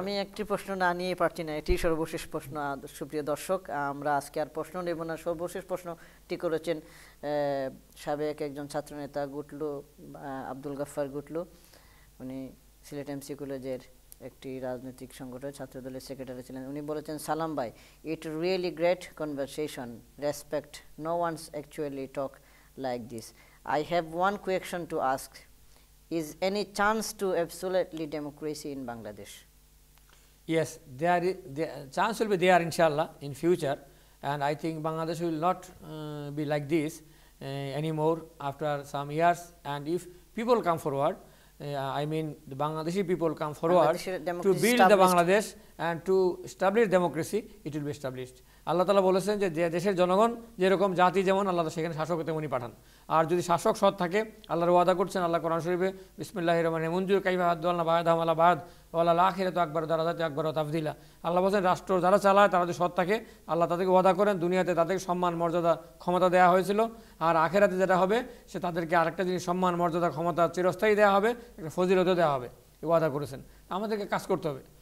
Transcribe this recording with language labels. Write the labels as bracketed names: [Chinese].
[Bangla] আমি একটি প্রশ্ন না নিয়ে পারছি না, এটি সর্বশেষ প্রশ্ন। সুপ্রিয় দর্শক, আমরা আজকে আর প্রশ্ন নেব না, সর্বশেষ প্রশ্নটি করেছেন সাবেক একজন ছাত্র নেতা গুটলু, আব্দুল গাফফার গুটলু, উনি সিলেট এমসি কলেজের একটি রাজনৈতিক সংগঠন ছাত্রদলের সেক্রেটারি ছিলেন। উনি বলেছেন, সালাম ভাই, [English] It really great conversation, respect, no one's actually talk like this. I have one question to ask. Is any chance to absolutely democracy in Bangladesh? Yes, there chance will be there inshallah in future, and I think Bangladesh will not be like this anymore after some years, and if people come forward, I mean the Bangladeshi people come forward to build the Bangladesh and to establish democracy, it will be established. [Bangla] আল্লাহ তালা বলেছেন যে দেশের জনগণ যেরকম জাতি যেমন, আল্লাহ সেখানে শাসক তেমনই পাঠান, আর যদি শাসক সৎ থাকে, আল্লাহর ওয়াদা করছেন আল্লাহ কোরআন শরীফে, বিসমিল্লাহ রহমান মঞ্জুর কাইবাহাদ্দাল্লা বাদ আমলা বাদ ওয়াল আখের তো একবার দ্বারা জাতি একবার তাফদিলা। আল্লাহ বলছেন রাষ্ট্র যারা চালায় তারা যদি সৎ থাকে, আল্লাহ তাদেরকে ওয়াদা করেন দুনিয়াতে তাদেরকে সম্মান মর্যাদা ক্ষমতা দেওয়া হয়েছিল, আর আখেরাতে যেটা হবে সে তাদেরকে আরেকটা জিনিস সম্মান মর্যাদা ক্ষমতা চিরস্থায়ী দেওয়া হবে, একটা ফজিলতও দেওয়া হবে, ওয়াদা করেছেন। আমাদেরকে কাজ করতে হবে।